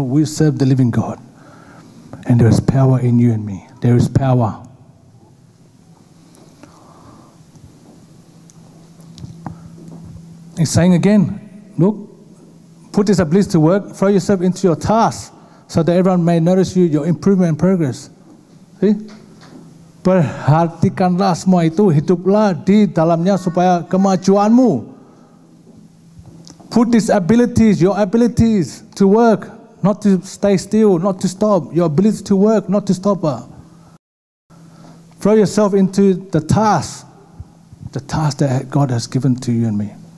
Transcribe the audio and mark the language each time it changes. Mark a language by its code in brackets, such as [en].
[en] We serve the living God. And there is power in you and me. There is power. He's saying again, look, put this bliss to work. Throw yourself into your task. So that everyone may notice you, your improvement and progress. See? [id] Perhatikanlah semua itu, hiduplah di dalamnya supaya kemajuanmu. [en] Put these abilities, your abilities to work, not to stay still, not to stop. Your ability to work, not to stop. Throw yourself into the task that God has given to you and me.